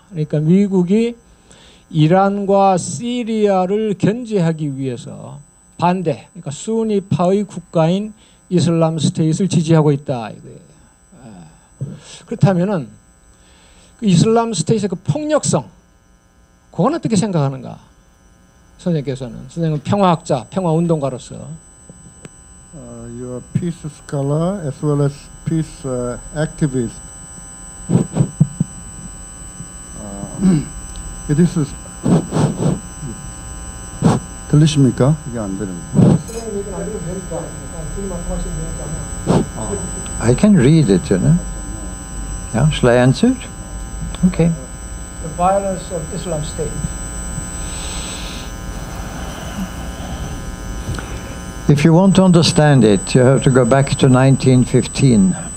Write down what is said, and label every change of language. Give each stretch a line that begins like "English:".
Korean: 그러니까 미국이 이란과 시리아를 견제하기 위해서 반대, 그러니까 수니파의 국가인 이슬람 스테이트를 지지하고 있다. 그렇다면은 그 이슬람 스테이트의 그 폭력성, 그건 어떻게 생각하는가? 선생님께서는 선생님은 평화학자, 평화운동가로서.
English: You are a peace scholar as well as peace activist. it is.
Korean: 들리십니까? 이게 안 들립니다. 선생님 얘기 안 들으면 되니까. 지금 말씀하시면 되니까.
English: I can read it, you know. Yeah, shall I answer it? Okay. The violence of Islam State. If you want to understand it, you have to go back to 1915.